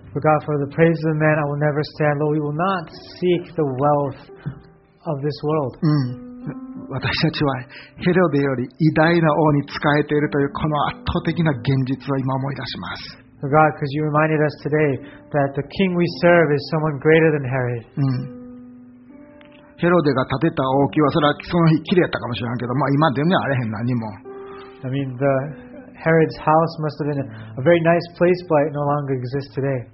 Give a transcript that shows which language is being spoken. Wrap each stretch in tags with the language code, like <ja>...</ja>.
<en>But God, for the praises of man I will never stand Lord, we will not seek the wealth of this world、</en> <ja>うん、私たちはヘロデより偉大な王に仕えているというこの圧倒的な現実を今思い出します</ja> <en>But God, because you reminded us today that the king we serve is someone greater than Herod、</en> <ja>うんヘロデが建てた王宮はそれはその日綺麗だったかもしれないけど、まあ、今でもあれへん何も。</ja> <en>I mean, the Herod's house must have been a very nice place, but it no longer exists today.</en>